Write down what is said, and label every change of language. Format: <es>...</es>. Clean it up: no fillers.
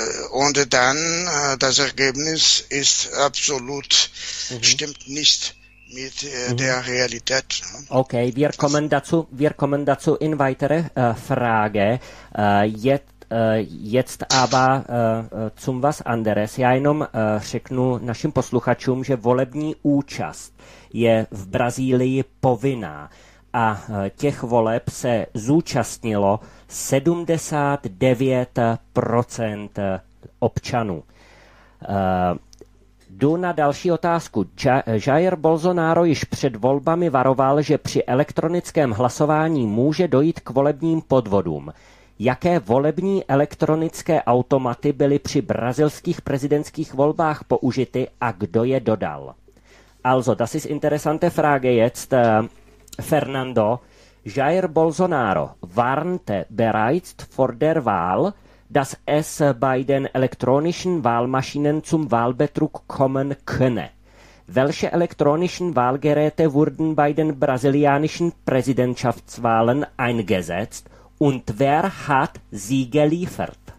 <de>Und dann, das Ergebnis ist absolut, stimmt nicht mit der Realität. Okay, wir kommen dazu in weitere Frage. Jetzt aber zum was anderes.</de> <cs>Já jenom řeknu našim posluchačům, že volební účast je v Brazílii povinná. A těch voleb se zúčastnilo 79% občanů. Jdu na další otázku. Jair Bolsonaro již před volbami varoval, že při elektronickém hlasování může dojít k volebním podvodům. Jaké volební elektronické automaty byly při brazilských prezidentských volbách použity a kdo je dodal?</cs> <de>Also, das ist interessante Frage jetzt, Fernando. Jair Bolsonaro warnte bereits vor der Wahl, dass es bei den elektronischen Wahlmaschinen zum Wahlbetrug kommen könne. Welche elektronischen Wahlgeräte wurden bei den brasilianischen Präsidentschaftswahlen eingesetzt und wer hat sie geliefert?</de>